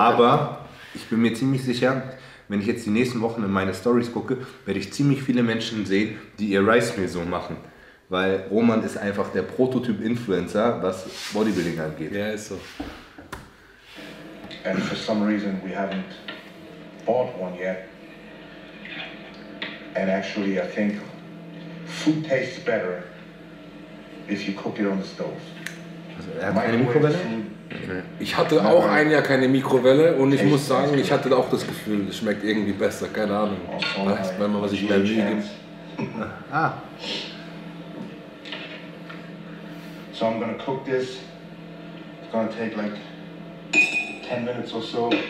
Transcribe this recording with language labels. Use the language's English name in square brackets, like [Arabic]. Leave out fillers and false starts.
[German] Aber ich bin mir ziemlich sicher, wenn ich jetzt die nächsten Wochen in meine Stories gucke, werde ich ziemlich viele Menschen sehen, die ihr Reisspiel so machen. Weil Roman ist einfach der Prototyp-Influencer, was Bodybuilding angeht. Ja, ist so. [English] And for some reason we haven't bought one yet. And actually I think food tastes better if you cook it on the stove. [German] Also, er hat keine Mikrowelle? Ich hatte auch ein Jahr keine Mikrowelle und ich muss sagen, ich hatte auch das Gefühl, es schmeckt irgendwie besser, keine Ahnung. Weißt du mal, was ich bei mir gibt? Ah. [English] So I'm gonna cook this. It's gonna take like 10 minutes or so.